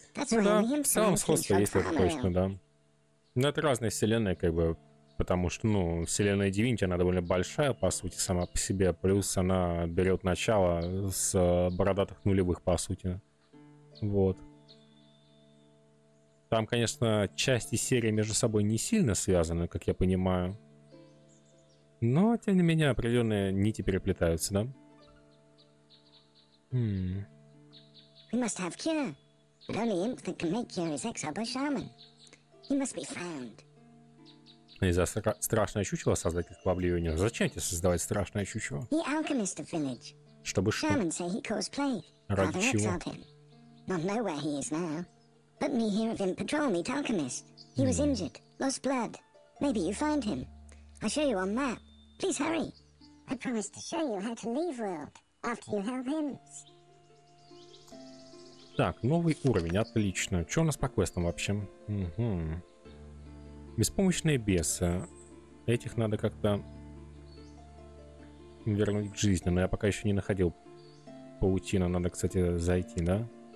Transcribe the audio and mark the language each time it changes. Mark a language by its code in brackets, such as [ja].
[ru] Ну да, в целом сходство есть, это точно, да. Но это разная вселенная, как бы, потому что, ну, вселенная Divinity, она довольно большая, по сути, сама по себе, плюс она берет начало с бородатых нулевых, по сути. Вот. Там, конечно, части серии между собой не сильно связаны, как я понимаю. Но, тем не менее, определенные нити переплетаются, да? [en] We must have cure. The only imp that can make cure is exiled by shaman. He must be found. [ru] Из-за страшное чучело создать их в Обливионе? Зачем тебе создавать страшное чучело? [en] The alchemist of village. [ru] Чтобы что? [en] Shaman say he caused plague. [ru] Ради чего? [en] Not know where he is now. But me hear of him patrol meet alchemist. He was injured, lost blood. Maybe you find him. I show you on map. Please hurry. I promise to show you how to leave world after you help him. [ru] Так, новый уровень, отлично. Что у нас по квестам вообще? Угу. Беспомощные бесы. Этих надо как-то вернуть к жизни. Но я пока еще не находил паутину. Надо, кстати, зайти, да?